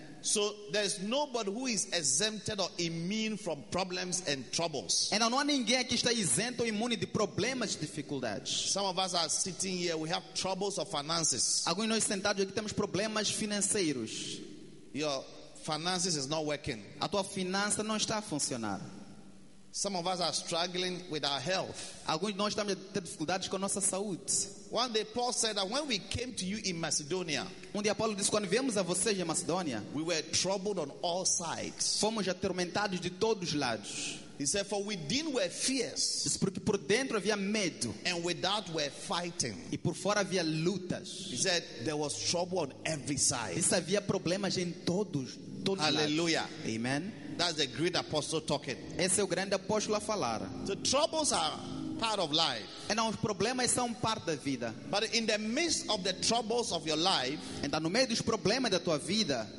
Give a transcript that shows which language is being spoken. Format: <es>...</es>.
<en>So there's nobody who is exempted or immune from problems and troubles.</en> <pt>Então não há ninguém que está isento ou imune de problemas e dificuldades.</pt> <en>Some of us are sitting here, we have troubles of finances.</en> <pt>Alguns nós sentados aqui temos problemas financeiros.</pt> <en>Your finances is not working.</en> <pt>A tua finança não está a funcionar.</pt> <en>Some of us are struggling with our health.</en> <pt>Alguns nós estamos a ter dificuldades com a nossa saúde.</pt> <en>One day Paul said that when we came to you in Macedonia,</en> <pt>dia Paulo disse, quando viemos a vocês em Macedônia,</pt> <en>we were troubled on all sides.</en> <pt>Fomos atormentados de todos os lados.</pt> <en>He said, for within were fears.</en> <pt>Disse, porque por dentro havia medo.</pt> <en>And without were fighting.</en> <pt>E por fora havia lutas.</pt> <en>He said, there was trouble on every side.</en> <pt>Disse, havia problemas em todos</pt> <en>Hallelujah.</en> <pt>Lados. Amen.</pt> <en>That's the great apostle talking.</en> <pt>Esse é o grande apóstolo a falar.</pt> <en>The troubles are part of life.</en> <pt>Então os problemas são parte da vida.</pt> <en>But in the midst of the troubles of your life,</en> <pt>então no meio dos problemas da tua vida,</pt>